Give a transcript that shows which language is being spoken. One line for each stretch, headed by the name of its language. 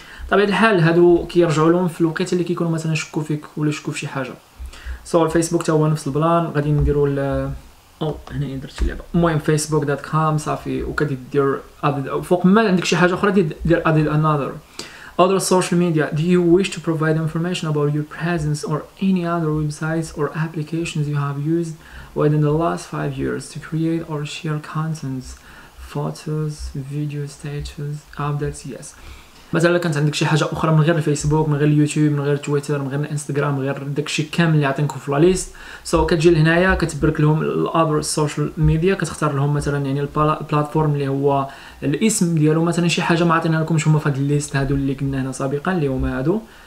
Arabic: طبيعة الحال هادو كيرجعوا لهم في الوقت اللي كيكونوا مثلا شكوا فيك ولا شكوا في شي حاجه. سو الفيسبوك تا هو نفس البلان، غادي نديروا او هنا درت اللعبه. المهم facebook.com صافي، وكدير فوق ما عندك شي حاجه اخرى دير ادد انذر
English: other social media. Do you wish to provide information about your presence or any other websites or applications you have used within the last 5 years to create or share contents, photos, video status, updates? Yes.
Arabic: مثلا لو كانت عندك شي حاجه اخرى من غير الفيسبوك، من غير اليوتيوب، من غير تويتر، من غير الانستغرام، من غير داكشي كامل اللي عطينكم في لا ليست، سو كتجي لهنايا كتبرك لهم الاذر سوشيال ميديا، كتختار لهم مثلا يعني البلاتفورم اللي هو الاسم ديالو، مثلا شي حاجه ما عطينا لكمش هما في هذه الليست هادو اللي قلنا هنا سابقا اللي هما هادو.